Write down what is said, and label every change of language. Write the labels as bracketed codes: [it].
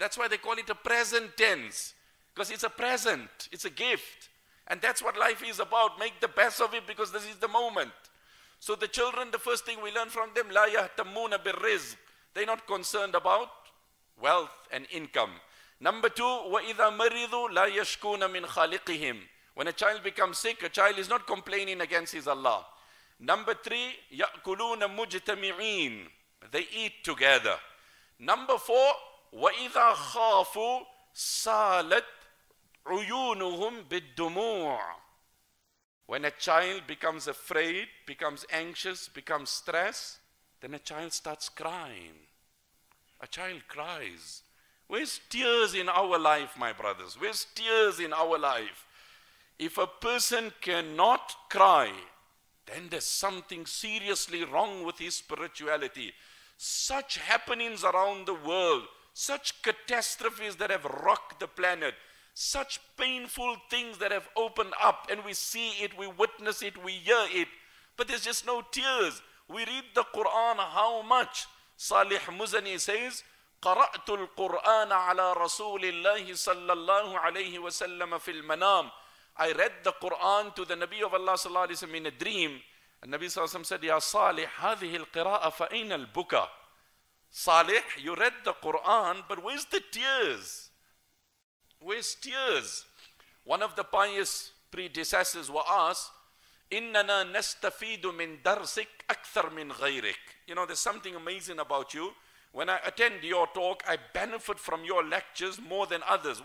[en] That's why they call it a present tense, because it's a present, it's a gift. And that's what life is about. Make the best of it, because this is the moment. So the children, the first thing we learn from them, [ar] لا يهتمون بالرزق. [en] They're not concerned about wealth and income. Number two, [ar] وَإِذَا مَرِضُوا لَا يَشْكُونَ مِنْ خَالِقِهِمْ. [en] When a child becomes sick, a child is not complaining against his Allah. Number three, [ar] يَأْكُلُونَ مُجْتَمِعِينَ. [en] They eat together. Number four, [ar] وَإِذَا خَافُوا سَالَتْ عُيُونُهُمْ بِالدُّمُوعِ. [en] When a child becomes afraid, becomes anxious, becomes stressed, then a child starts crying. A child cries. Where's tears in our life, my brothers? Where's tears in our life? If a person cannot cry, then there's something seriously wrong with his spirituality. Such happenings around the world, such catastrophes that have rocked the planet, such painful things that have opened up, and we see it, we witness it, we hear it, but there's just no tears. We read the Quran, how much? Salih Muzani says, [ar] قرأت القرآن على رسول الله صلى الله عليه وسلم في المنام. [en] I read the Quran to the Nabi of Allah [ar] صلى الله عليه وسلم [en] in a dream. And Nabi [ar] صلى الله عليه وسلم [en] said, [ar] يا صالح هذه القراءة فأين البكاء. [en] Salih, you read the Quran, but where's the tears? Where's tears? One of the pious predecessors were asked, [ar] إِنَّنَا نَسْتَفِيدُ مِنْ دَرْسِكْ أَكْثَرْ مِنْ غَيْرِكْ. [en] You know, there's something amazing about you. When I attend your talk, I benefit from your lectures more than others.